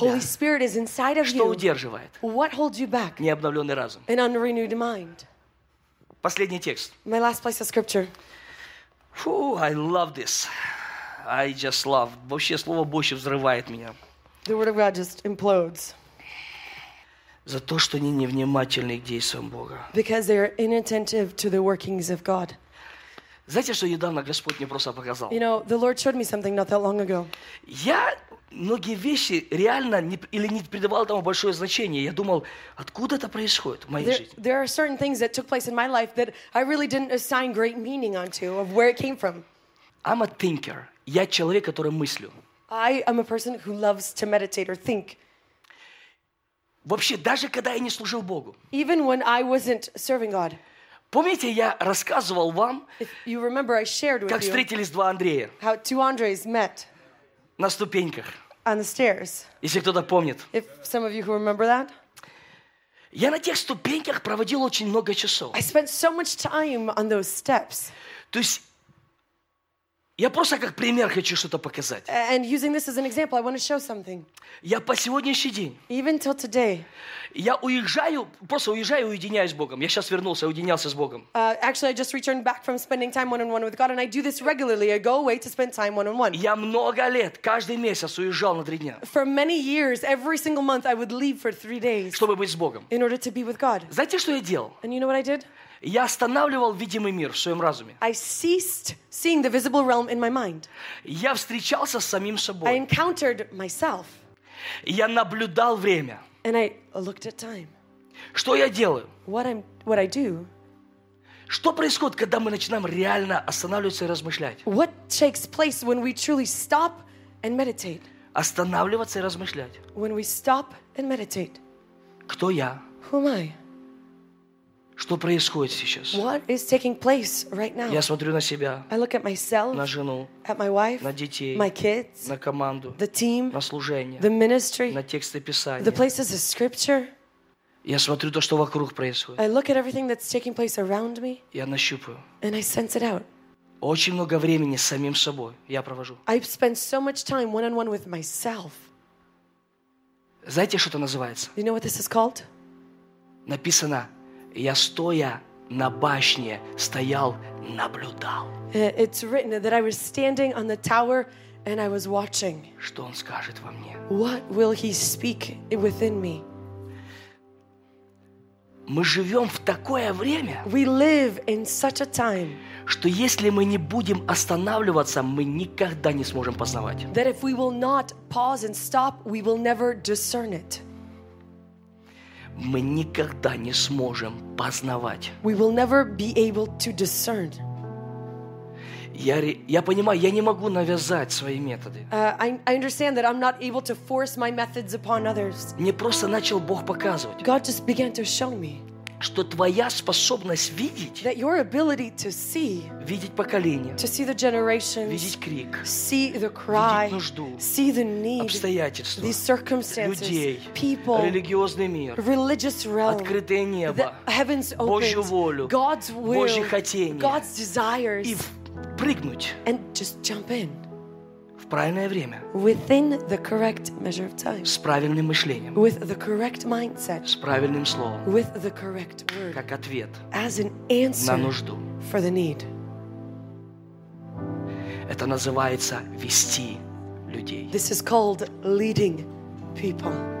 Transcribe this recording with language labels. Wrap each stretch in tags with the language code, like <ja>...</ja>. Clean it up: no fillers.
<en>Holy Spirit is inside of</en> <ru>что</ru> <en>you.</en> <ru>Что удерживает?</ru> <en>What holds you back?</en> <ru>Необновленный разум.</ru> <en>An unrenewed mind.</en> <ru>Последний текст.</ru> <en>My last place of scripture. Whew, I love this. I just love.</en> <ru>Вообще, слово Божье взрывает меня.</ru> <en>The word of God just implodes.</en> <ru>За то, что они невнимательны к действиям Бога.</ru> <en>Because they are inattentive to the workings of God.</en> <ru>Знаете, что недавно Господь мне просто показал?</ru> <en>You know, the Lord showed me something not that long ago.</en> <ru>Я многие вещи реально не, или не придавал этому большое значение. Я думал, откуда это происходит в моей</ru> <en>there,</en> <ru>жизни?</ru> <en>There are certain things that took place in my life that I really didn't assign great meaning onto of where it came from. I'm a thinker.</en> <ru>Я человек, который мыслю.</ru> <en>I am a person who loves to meditate or think.</en> <ru>Вообще, даже когда я не служил Богу.</ru> <en>Even when I wasn't serving God.</en> <ru>Помните, я рассказывал вам,</ru> <en>remember,</en> <ru>как встретились два Андрея.</ru> <en>How two Andreys met.</en> <ru>На ступеньках.</ru> <en>On the stairs.</en> <ru>Если кто-то помнит.</ru> <en>If some of you who remember that.</en> <ru>Я на тех ступеньках проводил очень много часов.</ru> <en>I spent so much time on those steps.</en> <ru>То есть, я просто как пример хочу что-то показать.</ru> <en>And using this as an example, I want to show something.</en> <ru>Я по сегодняшний день.</ru> <en>Even till today.</en> <ru>Я уезжаю, просто уезжаю и уединяюсь с Богом. Я сейчас вернулся, уединялся с Богом.</ru> <en>Actually, I just returned back from spending time one-on-one with God, and I do this regularly. I go away to spend time one-on-one.</en> <ru>Я много лет, каждый месяц уезжал на 3 дня.</ru> <en>For many years, every single month, I would leave for 3 days.</en> <ru>Чтобы быть с Богом.</ru> <en>In order to be with God.</en> <ru>Знаете, что я делал?</ru> <en>And you know what I did?</en> <ru>Я останавливал видимый мир в своем разуме.</ru> <en>I ceased seeing the visible realm in my mind.</en> <ru>Я встречался с самим собой.</ru> <en>I encountered myself.</en> <ru>Я наблюдал время.</ru> <en>And I looked at time.</en> <ru>Что я делаю?</ru> <en>What I do.</en> <ru>Что происходит, когда мы начинаем реально останавливаться и размышлять?</ru> <en>What takes place when we truly stop and meditate?</en> <ru>Останавливаться и размышлять.</ru> <en>When we stop and meditate.</en> <ru>Кто я?</ru> <en>Who am I?</en> <ru>Что происходит сейчас?</ru> <en>What is taking place right now?</en> <ru>Я смотрю на себя.</ru> <en>I look at myself.</en> <ru>На жену.</ru> <en>At my wife.</en> <ru>На детей.</ru> <en>My kids.</en> <ru>На команду.</ru> <en>The team.</en> <ru>На служение.</ru> <en>The ministry.</en> <ru>На тексты Писания.</ru> <en>The places of scripture.</en> <ru>Я смотрю то, что вокруг происходит.</ru> <en>I look at everything that's taking place around me.</en> <ru>Я нащупываю.</ru> <en>And I sense it out.</en> <ru>Очень много времени с самим собой я провожу.</ru> <en>I spend so much time one-on-one with myself.</en> <ru>Знаете, что это называется?</ru> <en>You know what this is called?</en> <ru>Написано. Я стоя на башне стоял, наблюдал.</ru> <en>It's written that I was standing on the tower and I was watching.</en> <ru>Что он скажет во мне?</ru> <en>What will he speak within me?</en> <ru>Мы живем в такое время.</ru> <en>We live in such a time.</en> <ru>Что если мы не будем останавливаться, мы никогда не сможем познавать.</ru> <en>That if we will not pause and stop, we will never discern it.</en> <ru>Мы никогда не сможем познавать.</ru> <en>We will never be able to discern.</en> <ru>Я понимаю, я не могу навязать свои методы.</ru> <en>I understand that I'm not able to force my methods upon others.</en> <ru>Мне просто начал Бог показывать.</ru> <en>God just began to show me.</en> <ru>Что твоя способность видеть?</ru> <en>That your ability to see.</en> <ru>Видеть поколение.</ru> <en>To see the generations.</en> <ru>Видеть крик.</ru> <en>See the cry.</en> <ru>Видеть нужду.</ru> <en>See the need.</en> <ru>Обстоятельства.</ru> <en>The circumstances.</en> <ru>Людей.</ru> <en>People.</en> <ru>Религиозный мир.</ru> <en>Religious realm.</en> <ru>Открытое небо.</ru> <en>The heavens opened.</en> <ru>Божью волю.</ru> <en>God's will.</en> <ru>Божьи хотения.</ru> <en>God's desires.</en> <ru>И прыгнуть.</ru> <en>And just jump in.</en> <ru>в правильное время.</ru> <en>Within the correct measure of time.</en> <ru>С правильным мышлением.</ru> <en>With the correct mindset.</en> <ru>С правильным словом.</ru> <en>With the correct word.</en> <ru>Как ответ.</ru> <en>As an answer.</en> <ru>На нужду.</ru> <en>For the need.</en> <ru>Это называется вести людей.</ru> <en>This is called leading people.</en>